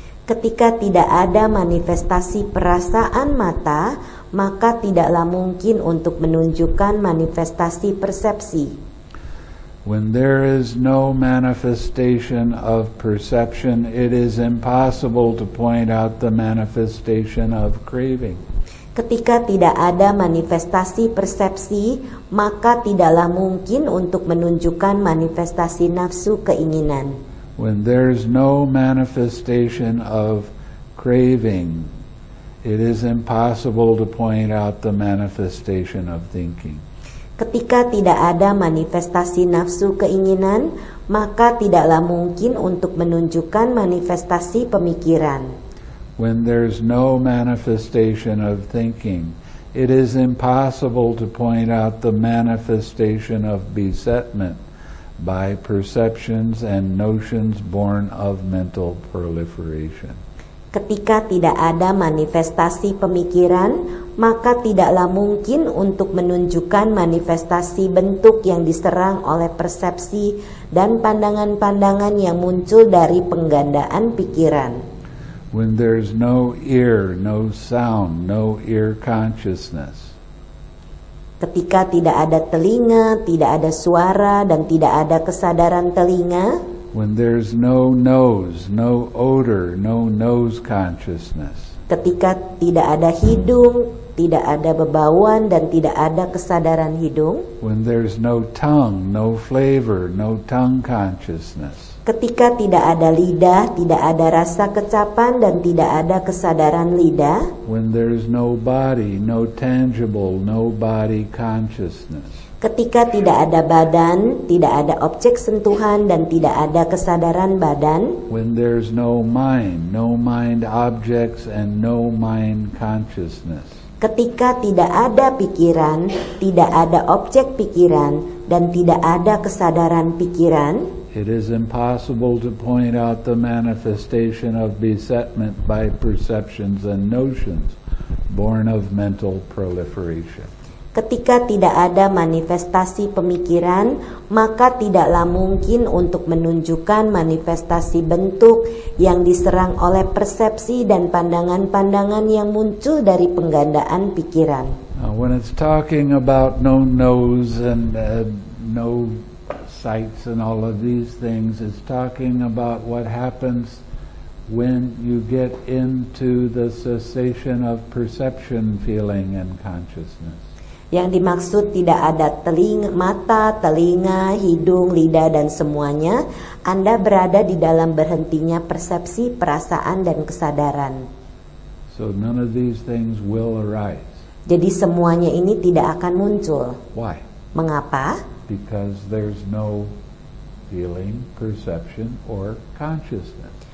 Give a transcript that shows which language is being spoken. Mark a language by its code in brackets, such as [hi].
[id] Ketika tidak ada manifestasi perasaan mata, maka tidaklah mungkin untuk menunjukkan manifestasi persepsi. [en] When there is no manifestation of perception, it is impossible to point out the manifestation of craving. [id] Ketika tidak ada manifestasi persepsi, maka tidaklah mungkin untuk menunjukkan manifestasi nafsu keinginan. [en] When there is no manifestation of craving, it is impossible to point out the manifestation of thinking. [id] Ketika tidak ada manifestasi nafsu keinginan, maka tidaklah mungkin untuk menunjukkan manifestasi pemikiran. [en] When there is no manifestation of thinking, it is impossible to point out the manifestation of besetment by perceptions and notions born of mental proliferation. [id] Ketika tidak ada manifestasi pemikiran, maka tidaklah mungkin untuk menunjukkan manifestasi bentuk yang diserang oleh persepsi dan pandangan-pandangan yang muncul dari penggandaan pikiran. [en] When there's no ear, no sound, no ear consciousness. [id] Ketika tidak ada telinga, tidak ada suara, dan tidak ada kesadaran telinga. [en] When there's no nose, no odor, no nose consciousness. [id] Ketika tidak ada hidung, tidak ada bebauan, dan tidak ada kesadaran hidung. [en] When there's no tongue, no flavor, no tongue consciousness. [id] Ketika tidak ada lidah, tidak ada rasa kecapan, dan tidak ada kesadaran lidah. [en] When there is no body, no tangible, no body consciousness. [id] Ketika tidak ada badan, tidak ada objek sentuhan, dan tidak ada kesadaran badan. [en] When there is no mind, no mind objects, and no mind consciousness. [id] Ketika tidak ada pikiran, tidak ada objek pikiran, dan tidak ada kesadaran pikiran. [en] It is impossible to point out the manifestation of besetment by perceptions and notions born of mental proliferation. [id] Ketika tidak ada manifestasi pemikiran, maka tidaklah mungkin untuk menunjukkan manifestasi bentuk yang diserang oleh persepsi dan pandangan-pandangan yang muncul dari penggandaan pikiran. [en] Now, when it's talking about no nose and no sights and all of these things, it's talking about what happens when you get into the cessation of perception, feeling, and consciousness. [id] Yang dimaksud tidak ada telinga, mata, telinga, hidung, lidah, dan semuanya, Anda berada di dalam berhentinya persepsi, perasaan, dan kesadaran. [en] So none of these things will arise. [id] Jadi semuanya ini tidak akan muncul. [en] Why? [id] Mengapa? [en] Because there's no feeling, perception, or consciousness.